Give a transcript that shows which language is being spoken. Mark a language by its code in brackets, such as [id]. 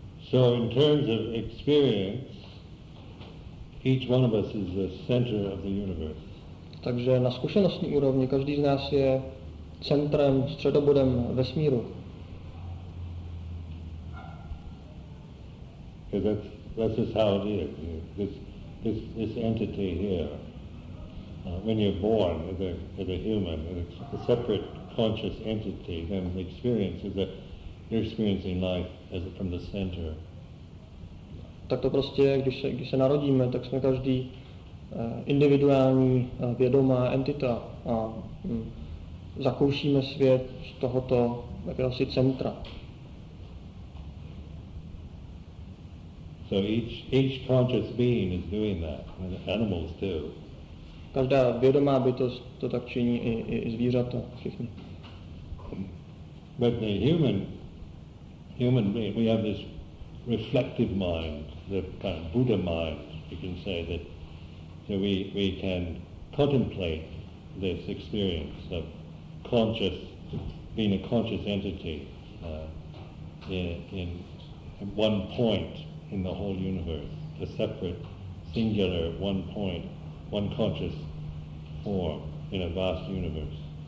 [en] So in terms of experience, each one of us is the center of the universe. [cs] Takže na zkušenostní úrovni každý z nás je centrem, středobodem vesmíru. [en] Because that's just how it is. This entity here, when you're born as a human, it's a separate conscious entity, then the experience is that you're experiencing life as from the center. [cs] Tak to prostě je, když se narodíme, tak jsme každý individuální vědomá entita a zakoušíme svět z tohoto jakéhosi centra. [en] So each conscious being is doing that, and animals do. [cs] Každá vědomá bytost to tak činí i zvířata, všichni. [en] But the human being, we have this reflective mind, the kind of Buddha mind, you can say, that we can contemplate this experience of conscious, being a conscious entity in one point in the whole universe, a separate, singular, one point, one conscious form in a vast universe.